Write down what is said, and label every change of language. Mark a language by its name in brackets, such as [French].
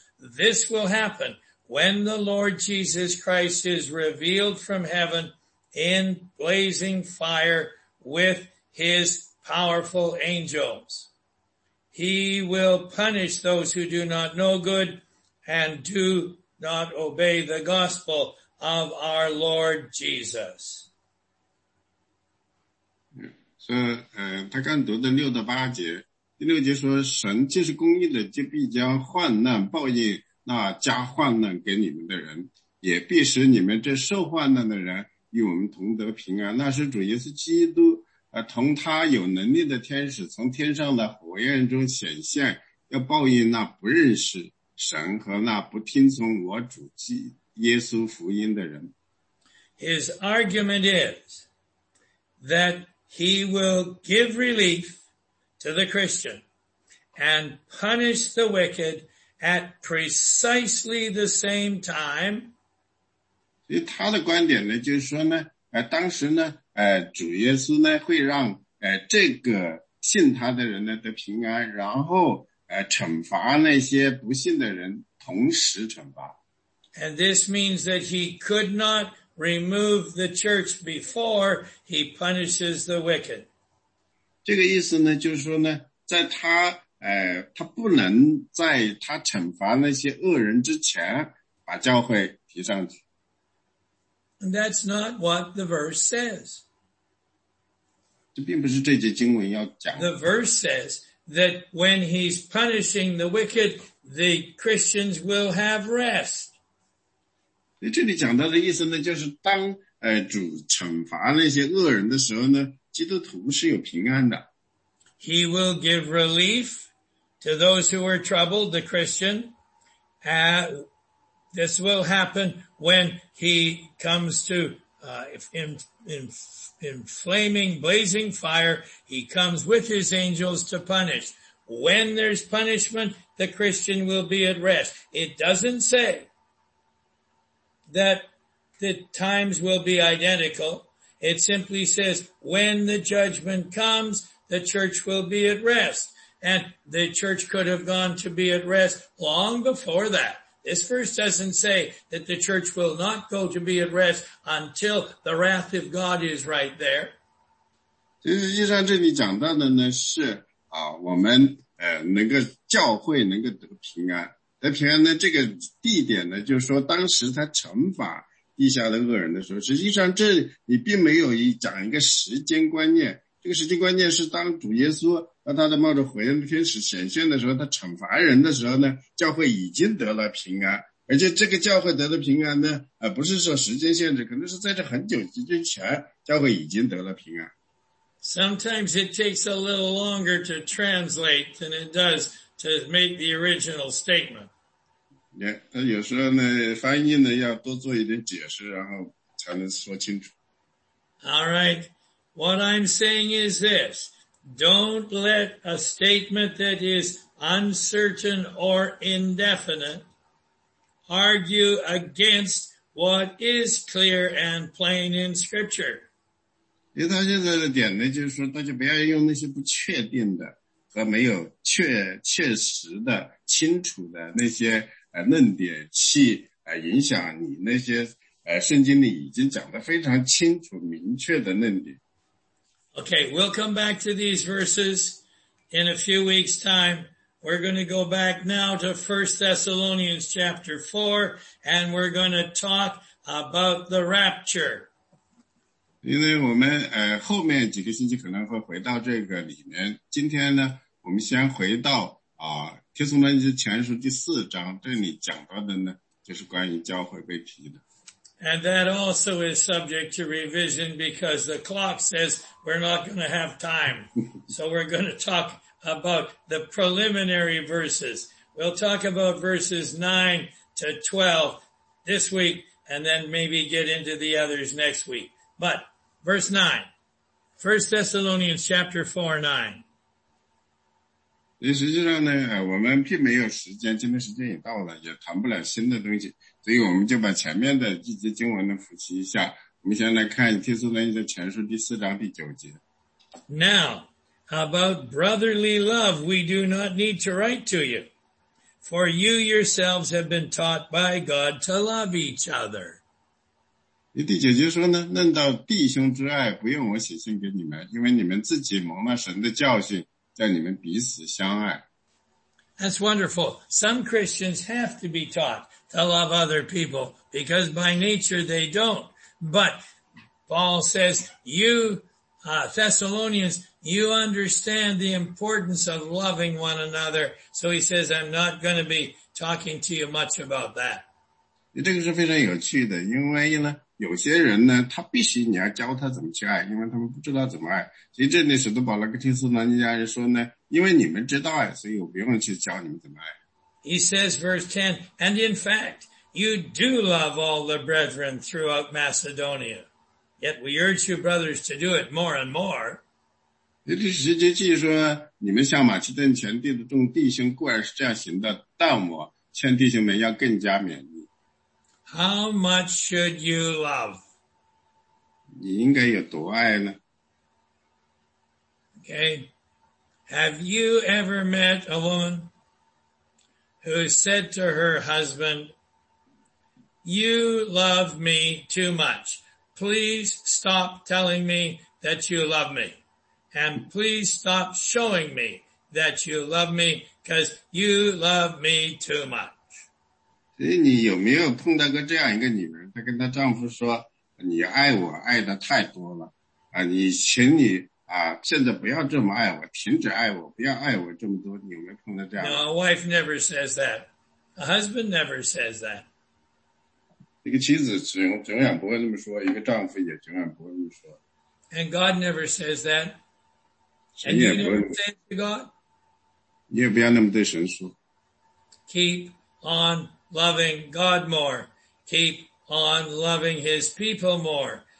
[English] This will happen. When the Lord Jesus Christ is revealed from heaven in blazing fire with his powerful angels, he will punish those who do not know good and do not obey the gospel of our Lord Jesus. So, [Chinese] 他刚读的六到八节，第六节说，神既是公义的，就必将患难报应。那加患难给你们的人，也必使你们这受患难的人与我们同得平安。那是主耶稣基督，同他有能力的天使从天上的火焰中显现，要报应那不认识神和那不听从我主耶稣福音的人。 [English] His argument is that he will give relief to the Christian and punish the wicked. At precisely the same time. [Chinese] 所以他的观点呢，就是说呢，当时呢，主耶稣呢会让这个信他的人呢得平安，然后惩罚那些不信的人，同时惩罚。 [English] And this means that he could not remove the church before he punishes the wicked. [Chinese] 这个意思呢，就是说呢，在他。他不能在他惩罚那些恶人之前把教会提上去。 [English] And that's not what the verse says. [Chinese] 这并不是这节经文要讲的。 [English] The verse says that when he's punishing the wicked, the Christians will have rest. [Chinese] 这里讲到的意思呢，就是当主惩罚那些恶人的时候呢，基督徒是有平安的。 [English] He will give relief to those who are troubled, the Christian. This will happen when he comes to, in flaming, blazing fire, he comes with his angels to punish. When there's punishment, the Christian will be at rest. It doesn't say that the times will be identical. It simply says when the judgment comes, the church will be at rest. And the church could have gone to be at rest long before that. This verse doesn't say that the church will not go to be at rest until the wrath of God is right there. [Chinese] 实际上这里讲到的呢是啊，我们能够教会能够得平安。得平安呢，这个地点呢，就是说当时他惩罚地下的恶人的时候，实际上这你并没有讲一个时间观念。这个时间观念是当主耶稣当他的冒着火焰的天使显现的时候，他惩罚人的时候呢，教会已经得了平安，而且这个教会得了平安呢，不是说时间限制，可能是在这很久之前，教会已经得了平安。 [English] Sometimes it takes a little longer to translate than it does to make the original statement. Yeah, [Chinese] 他有时候呢，翻译呢要多做一点解释，然后才能说清楚。 [English] All right, what I'm saying is this. Don't let a statement that is uncertain or indefinite argue against what is clear and plain in Scripture. [Chinese] 因为他现在的点呢，就是说大家不要用那些不确定的和没有确实的清楚的那些论点去影响你那些圣经里已经讲得非常清楚明确的论点。 [English] Okay, we'll come back to these verses in a few weeks' time. We're going to go back now to 1 Thessalonians chapter 4, and we're going to talk about the rapture. [Chinese] 因为我们后面几个星期可能会回到这个里面。今天呢，我们先回到帖撒罗尼迦前书第四章，这里讲到的呢，就是关于教会被提的。 [English] And that also is subject to revision because the clock says we're not going to have time. So we're going to talk about the preliminary verses. We'll talk about verses 9 to 12 this week and then maybe get into the others next week. But verse 9, 1 Thessalonians chapter 4, 9. [Chinese] 实际上呢，我们并没有时间，今天时间也到了，也谈不了新的东西。所以我们就把前面的一节经文呢复习一下。我们先来看帖撒罗尼迦前书第四章第九节。 [English] Now, about brotherly love, we do not need to write to you, for you yourselves have been taught by God to love each other. [Chinese] 第九节说呢，论到弟兄之爱，不用我写信给你们，因为你们自己蒙了神的教训，叫你们彼此相爱。 [English] That's wonderful. Some Christians have to be taught to love other people because by nature they don't. But Paul says, you, Thessalonians, you understand the importance of loving one another. So he says, I'm not going to be talking to you much about that. [Chinese] 这个是非常有趣的，因为呢，有些人呢，他必须你要教他怎么去爱，因为他们不知道怎么爱。所以这里使徒保罗跟帖撒罗尼迦人说呢，因为你们知道爱，所以我不用去教你们怎么爱。 [English] He says, verse 10, and in fact, you do love all the brethren throughout Macedonia. Yet we urge you, brothers, to do it more and more. [Chinese] 第十节继续说，你们向马其顿全地的众弟兄固然是这样行的，但我劝弟兄们要更加勉励。 [English] How much should you love? [Chinese] 你应该有多爱呢？ [English] Okay. Have you ever met a woman who said to her husband, you love me too much. Please stop telling me that you love me. And please stop showing me that you love me because you love me too much. [Chinese] 所以你有没有碰到过这样一个女人，她跟她丈夫说，你爱我爱得太多了，你请你现在不要这么爱我，停止爱我，不要爱我这么多，你有没有碰到这样？ [English] No, a wife never says that. A husband never says that. [Chinese] 一个妻子永远不会那么说，一个丈夫也永远不会那么说。 [English] And God never says that. And you never say to God. [Chinese] 你也不要那么对神说。 [English] Keep on loving God more. Keep on loving His people more.